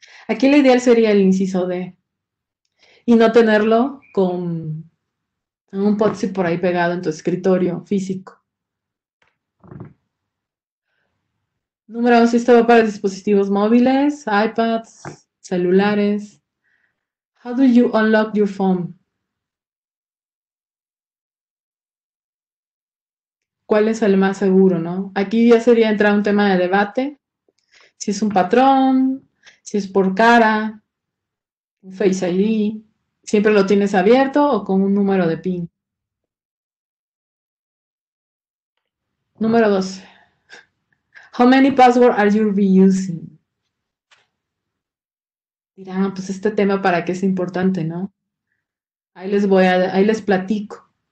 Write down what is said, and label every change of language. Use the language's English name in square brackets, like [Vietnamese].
[Spanish] Aquí lo ideal sería el inciso D y no tenerlo con un post-it por ahí pegado en tu escritorio físico. Número 11, esto va para dispositivos móviles, iPads, celulares. [English] How do you unlock your phone? [Spanish] ¿Cuál es el más seguro, no? Aquí ya sería entrar un tema de debate. Si es un patrón, si es por cara, un Face ID, ¿siempre lo tienes abierto o con un número de PIN? Número 12. [English] How many passwords are you reusing? [Spanish] Dirán, pues este tema para qué es importante, ¿no? Ahí les platico.